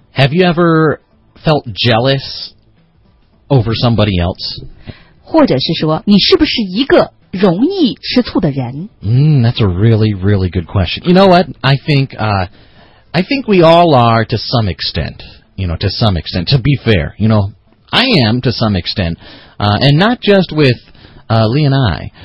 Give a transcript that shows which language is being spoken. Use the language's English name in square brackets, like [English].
[English] Have you ever felt jealous over somebody else? [Chinese] 或者是说，你是不是一个容易吃醋的人？ [English] That's a really, really good question. You know what? I think, I think we all are to some extent, you know, to some extent, to be fair. You know, I am to some extent, and not just with Lee and I.